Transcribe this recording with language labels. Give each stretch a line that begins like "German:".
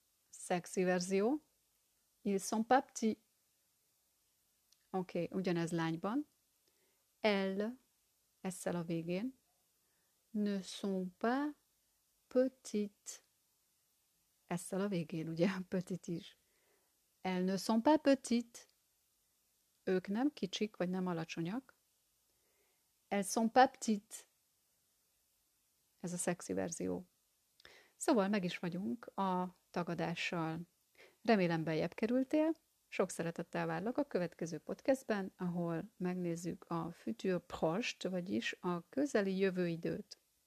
Hungarian: Sexy verzió.
French: Ils sont pas petits.
Hungarian: Oké, ugyanez lányban.
French: Elles,
Hungarian: esszel a végén,
French: ne sont pas petites.
Hungarian: Esszel a végén, ugye, petit is.
French: Elles ne sont pas petites.
Hungarian: Ők nem kicsik, vagy nem alacsonyak.
French: Elles sont pas petites.
Hungarian: Ez a szexi verzió. Szóval meg is vagyunk a tagadással. Remélem, beljebb kerültél. Sok szeretettel várlak a következő podcastben, ahol megnézzük a futur proche, vagyis a közeli jövőidőt.